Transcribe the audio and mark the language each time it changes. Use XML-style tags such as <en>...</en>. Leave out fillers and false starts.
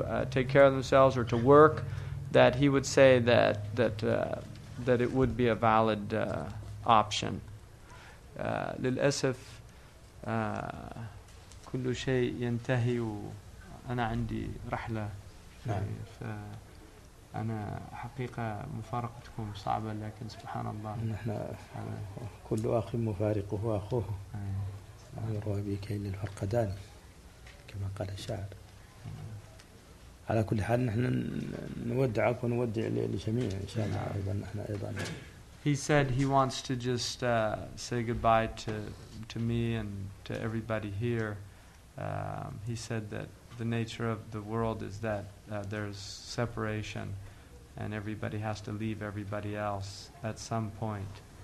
<en>take care of themselves or to work, that he would say that it would be a valid option.</en> <ar>للأسف كل شيء ينتهي وأنا عندي رحلة فأنا حقيقة مفارقتكم صعبة لكن سبحان الله نحن كل أخ مفارقه أخوه أمره بك إلى الفرقدان كما قال الشاعر. على كل حال نحن نودعك ونودع لجميع إن شاء الله أيضا.</ar> <en>He said he wants to just say goodbye to me and to everybody here. He said that the nature of the world is that there's separation and everybody has to leave everybody else at some point.</en>